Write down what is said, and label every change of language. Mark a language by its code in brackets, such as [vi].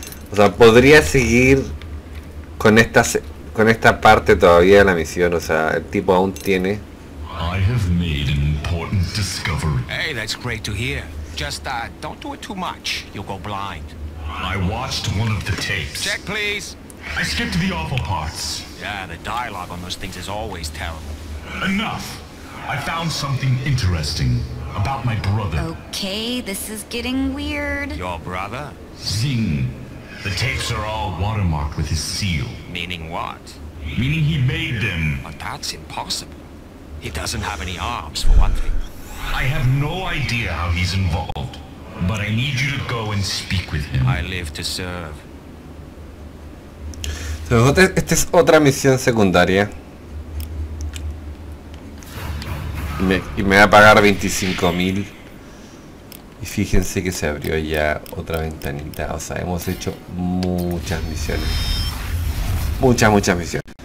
[es] O sea, podría seguir con estas. Con esta parte todavía de la misión, o sea, el tipo aún tiene. [en] I have made an important discovery. Hey, that's great to hear. Just don't do it too much. You'll go blind. I watched one of the tapes. Check, please. I skipped the awful parts. Yeah, the dialogue on those things is always terrible. Enough. I found something interesting about my brother. Okay, this is getting weird. Your brother? Zing. The tapes are all watermarked with his seal. Meaning what? Meaning he made them. But that's impossible. He doesn't have any arms, for one thing. I have no idea how he's involved, but I need you to go and speak with him. I live to serve. [es] Esta es otra misión secundaria. Y me va a pagar 25.000. Y fíjense que se abrió ya otra ventanita. O sea, hemos hecho muchas misiones. Muchas misiones.